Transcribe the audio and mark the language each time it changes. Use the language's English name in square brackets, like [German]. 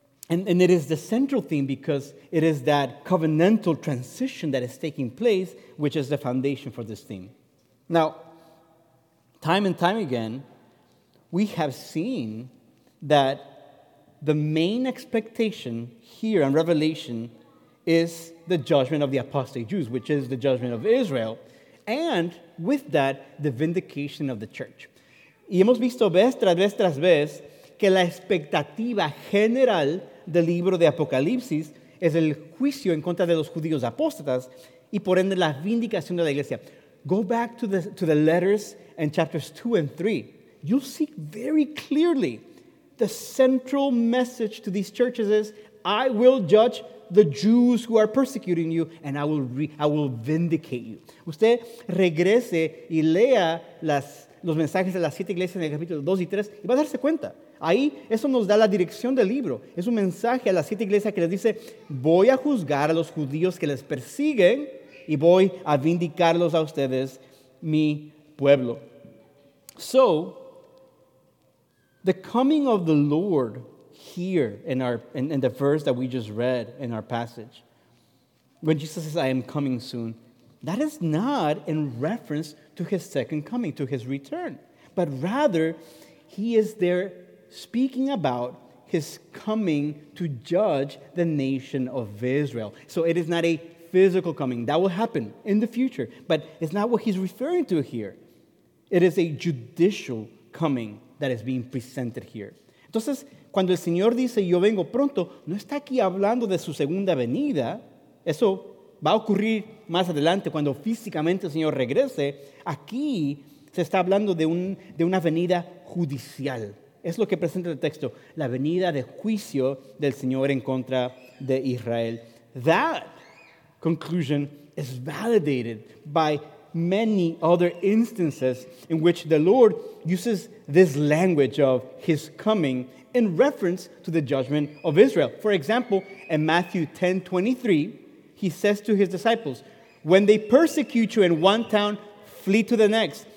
[English] And it is the central theme because it is that covenantal transition that is taking place, which is the foundation for this theme. Now, time and time again, we have seen that the main expectation here in Revelation is the judgment of the apostate Jews, which is the judgment of Israel, and with that, the vindication of the church. [Spanish] Y hemos visto vez tras vez que la expectativa general del libro de Apocalipsis es el juicio en contra de los judíos apóstatas y por ende la vindicación de la iglesia. [English] Go back to the letters in chapters 2 and 3. You'll see very clearly the central message to these churches is, I will judge the Jews who are persecuting you and I will vindicate you. [Spanish] Usted regrese y lea los mensajes de las siete iglesias en el capítulo 2 y 3 y va a darse cuenta. Ahí, eso nos da la dirección del libro. Es un mensaje a las siete iglesias que les dice, voy a juzgar a los judíos que les persiguen y voy a vindicarlos a ustedes, mi pueblo. [English] So, the coming of the Lord here in the verse that we just read in our passage, when Jesus says, I am coming soon, that is not in reference to his second coming, to his return, but rather, he is there speaking about his coming to judge the nation of Israel. So it is not a physical coming. That will happen in the future, but it's not what he's referring to here. It is a judicial coming that is being presented here. [Spanish] Entonces, cuando el Señor dice, yo vengo pronto, no está aquí hablando de su segunda venida. Eso va a ocurrir más adelante cuando físicamente el Señor regrese. Aquí se está hablando de una venida judicial. Es lo que presenta el texto, la venida de juicio del Señor en contra de Israel. [English] That conclusion is validated by many other instances in which the Lord uses this language of his coming in reference to the judgment of Israel. For example, in Matthew 10:23, he says to his disciples, when they persecute you in one town, flee to the next.